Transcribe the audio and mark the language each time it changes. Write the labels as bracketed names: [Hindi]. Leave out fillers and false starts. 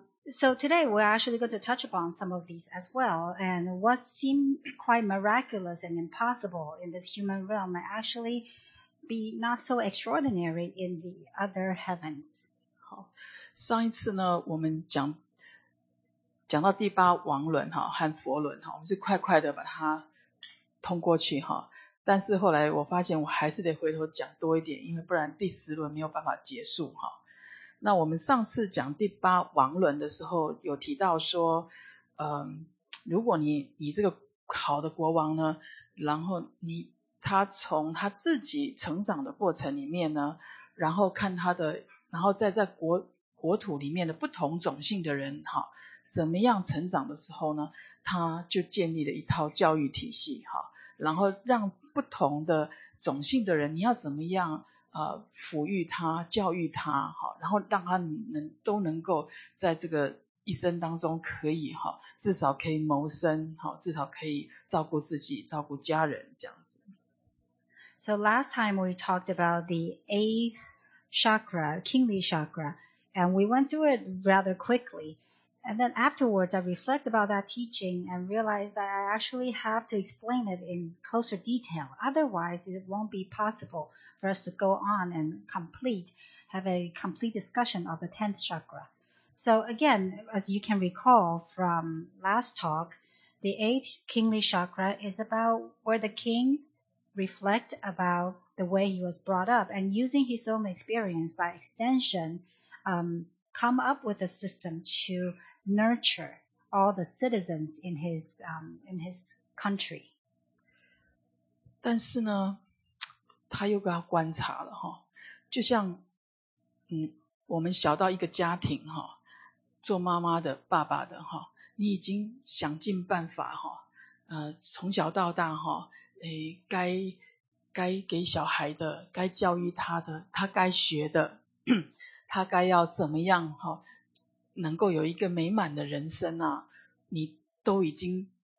[English] So today we're actually going to touch upon some of these as well, and what seemed quite miraculous and impossible in this human realm might actually be not so extraordinary in the other heavens. [Chinese] 好，上一次呢，我们讲到第八王轮哈和佛轮哈，我们是快快的把它通过去哈，但是后来我发现我还是得回头讲多一点，因为不然第十轮没有办法结束哈。那我们上次讲第八王轮的时候有提到说如果你这个好的国王呢，然后他从他自己成长的过程里面呢，然后看他的，然后在国土里面的不同种姓的人哈怎么样成长的时候呢，他就建立了一套教育体系哈，然后让不同的种姓的人你要怎么样抚育他，教育他，好，然后让他都能够在这个一生当中可以哈，至少可以谋生，好，至少可以照顾自己，照顾家人，这样子。 [English] So last time we talked about the eighth chakra, kingly chakra, and we went through it rather quickly. And then afterwards, I reflect about that teaching and realize that I actually have to explain it in closer detail. Otherwise, it won't be possible. For us to go on and have a complete discussion of the 10th chakra. So again, as you can recall from last talk, the 8th kingly chakra is about where the king reflects about the way he was brought up and using his own experience by extension, come up with a system to nurture all the citizens in his country. [Chinese] 但是呢他又要观察了，就像我们小到一个家庭，做妈妈的爸爸的，你已经想尽办法从小到大该给小孩的，该教育他的，他该学的，他该要怎么样能够有一个美满的人生啊，你都已经